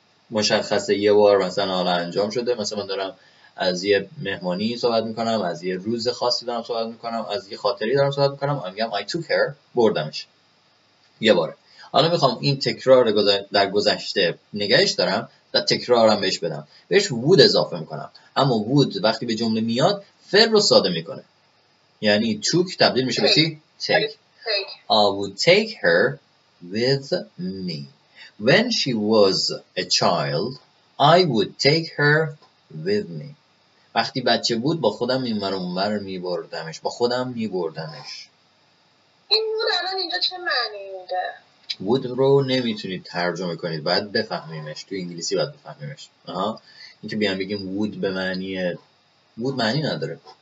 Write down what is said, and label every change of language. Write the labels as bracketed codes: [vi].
[fa] مشخصه یه بار مثلا حالا انجام شده مثلا من دارم از یه مهمانی صحبت میکنم از یه روز خاصی دارم صحبت میکنم از یه خاطری دارم صحبت میکنم میگم [en] I took her [fa] بردمش یه باره حالا میخوام این تکرار در گذشته نگهش دارم و تکرارم بهش بدم بهش would اضافه میکنم اما would وقتی به جمله میاد فعل رو ساده میکنه یعنی took تبدیل میشه به چی؟ [en] take I would take her with me When she was a child, I would take her with me. [fa] وقتی بچه بود با خودم این مرمون مر می بردمش. با خودم می بردمش. این بود الان اینجا چه معنی میده؟ بود رو نمیتونید ترجمه کنید. باید بفهمیمش. تو انگلیسی باید بفهمیمش. این که بیان بگیم بود به معنیه. بود معنی نداره.